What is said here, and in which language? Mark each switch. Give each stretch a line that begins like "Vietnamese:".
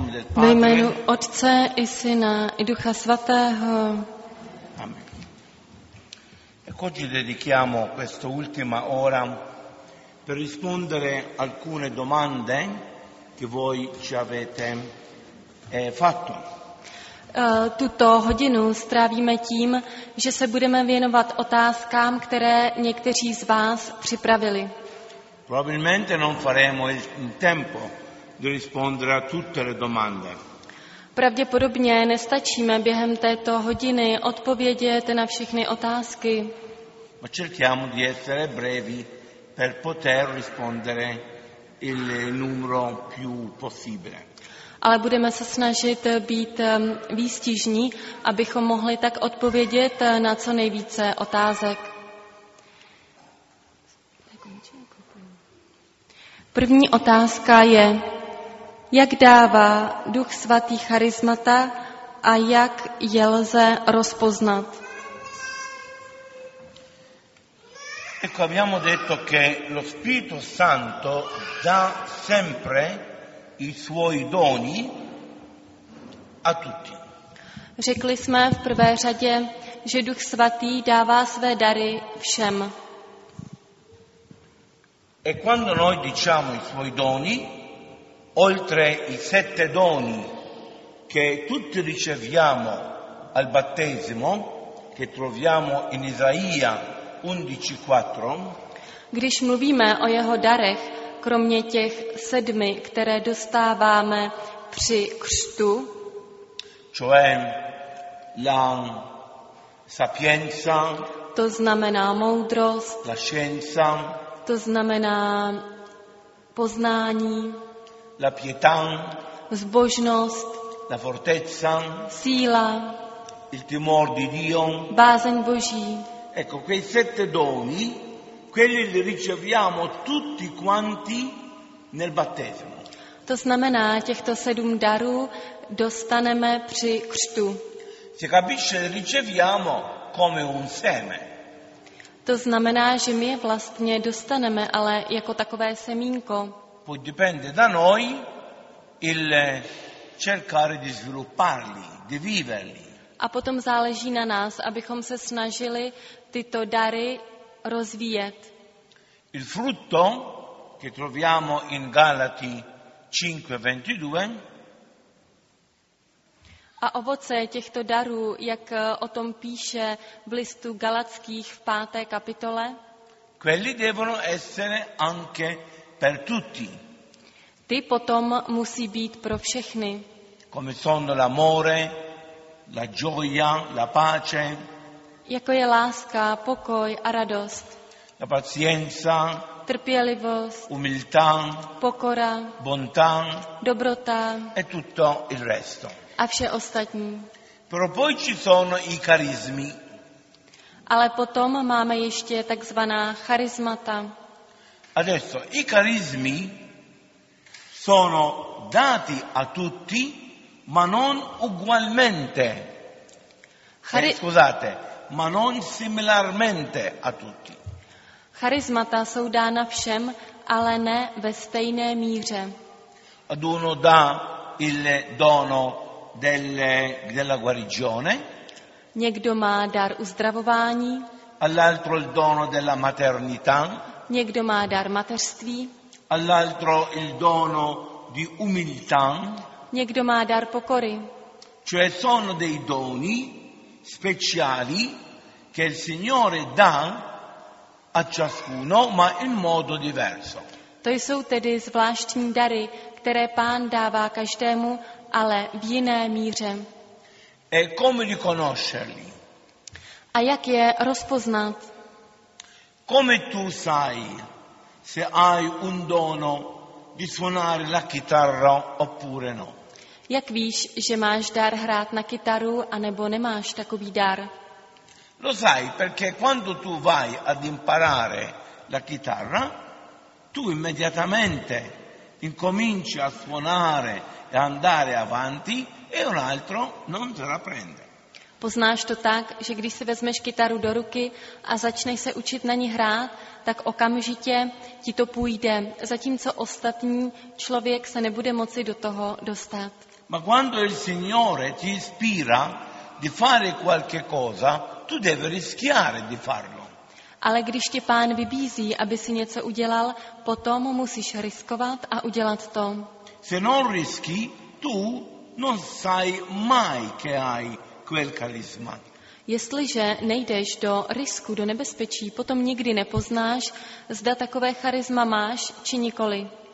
Czech: Ve jménu Otce i Syna i Ducha Svatého. Amen.
Italian: Ecco, oggi dedichiamo questa ultima ora per rispondere alcune domande che voi ci avete fatto.
Czech: Tuto hodinu strávíme tím, že se budeme věnovat otázkám, které někteří z vás připravili.
Italian: Probabilmente non faremo il tempo di rispondere a tutte le domande.
Czech: Pravděpodobně nestačíme během této hodiny odpovědět na všechny otázky.
Italian: Ma cerchiamo di essere brevi per poter rispondere il numero più possibile.
Czech: Ale budeme se snažit být výstižní, abychom mohli tak odpovědět na co nejvíce otázek. První otázka je, jak dává Duch Svatý charismata a jak je lze rozpoznat?
Italian: Ecco, abbiamo detto che lo Spirito Santo dà sempre i suoi doni a tutti.
Czech: Řekli jsme v prvé řadě, že Duch Svatý dává své dary všem.
Italian: E quando noi diciamo i suoi doni, oltre i sette doni che tutti riceviamo al battesimo, che troviamo in Isaia 11:4.
Czech: Když mluvíme o jeho darech, kromě těch sedmi, které dostáváme při křtu,
Italian: cioè la sapienza,
Czech: to znamená moudrost,
Italian: la scienza,
Czech: to znamená poznání,
Italian: la pietà,
Czech: zbožnost,
Italian: la fortezza,
Czech: síla,
Italian: il timor di Dio,
Czech: bázeň Boží.
Italian: Ecco, quei sette doni, quelli li riceviamo tutti quanti nel battesimo.
Czech: To znamená, těchto sedm darů dostaneme při křtu.
Italian: Si capisce, riceviamo come un seme.
Czech: To znamená, že my je vlastně dostaneme, ale jako takové semínko.
Italian: Poi dipende da noi il cercare di svilupparli, di viverli.
Czech: A potom záleží na nás, abychom se snažili tyto dary rozvíjet.
Italian: Il frutto che troviamo in Galati 5:22.
Czech: A ovoce těchto darů, jak o tom píše v listu Galackých v 5. kapitole?
Italian: Quelli devono essere anche per tutti.
Czech: Ty potom musí být pro všechny.
Italian: Come sono l'amore, la gioia, la pace.
Czech: Jako je láska, pokoj a radost.
Italian: La pazienza,
Czech: trpělivost,
Italian: umiltà,
Czech: pokora,
Italian: bontà,
Czech: dobrota
Italian: e tutto il resto.
Czech: A vše ostatní.
Italian: Però poi ci sono i carismi.
Czech: Ale potom máme ještě takzvaná charismata.
Italian: Adesso i carismi sono dati a tutti, ma non ugualmente. Scusate. Ma non similarmente a tutti.
Czech: Charismata jsou dána všem, ale ne ve stejné míře.
Italian: Ad uno dà il dono della guarigione.
Czech: Někdo má dar uzdravování.
Italian: All'altro il dono della maternità.
Czech: Někdo má dar mateřství.
Italian: All'altro il dono di umiltà.
Czech: Někdo má dar pokory.
Italian: Cioè sono dei doni speciali che il Signore dà a ciascuno, ma in modo diverso.
Czech: To jsou tedy zvláštní dary, které Pán dává každému, ale v jiné míře.
Italian: E come riconoscerli?
Czech: A jak je rozpoznat?
Italian: Come tu sai se hai un dono di suonare la chitarra oppure no?
Czech: Jak víš, že máš dar hrát na kytaru, anebo nemáš takový dar?
Italian: Lo sai perché quando tu vai ad imparare la chitarra, tu immediatamente incominci a suonare e andare avanti e un altro non te la prende.
Czech: Poznáš to tak, že když si vezmeš kytaru do ruky a začneš se učit na ní hrát, tak okamžitě ti to půjde, zatímco ostatní člověk se nebude moci do toho dostat.
Italian: Ma quando il Signore ti ispira di fare qualche cosa, tu devi rischiare di farlo.
Czech: Ale když tě Pán vybízí, aby si něco udělal, potom musíš riskovat a udělat to.
Italian: Se non rischi, tu non sai mai che hai quel carisma.
Czech: Jestliže nejdeš do risku, do nebezpečí, potom nikdy nepoznáš, zda takové charisma máš či nikoli.